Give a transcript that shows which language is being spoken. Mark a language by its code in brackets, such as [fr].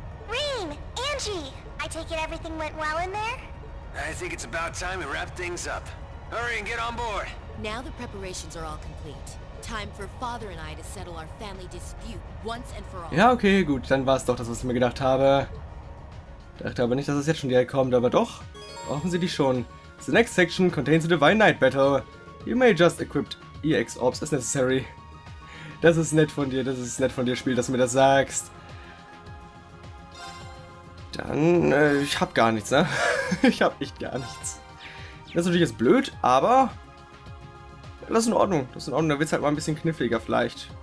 [en] Reen, Angie, I take it everything went well in there? I think it's about time we wrap things up. Hurry and get on board. Now the preparations are all complete. Time for father and I to settle our family dispute once and for all. [de] Ja, okay, gut, dann war es doch das, was ich mir gedacht habe. Dachte aber nicht, dass es jetzt schon direkt kommt, aber doch. Brauchen sie die schon. [en] The next section contains the Divine Knight Battle. You may just equip EX Orbs as necessary. [de] Das ist nett von dir, das ist nett von dir, Spiel, dass du mir das sagst. Dann, ich hab gar nichts, ne? Ich hab echt gar nichts. Das ist natürlich jetzt blöd, aber... Das ist in Ordnung, das ist in Ordnung. Da wird es halt mal ein bisschen kniffliger vielleicht.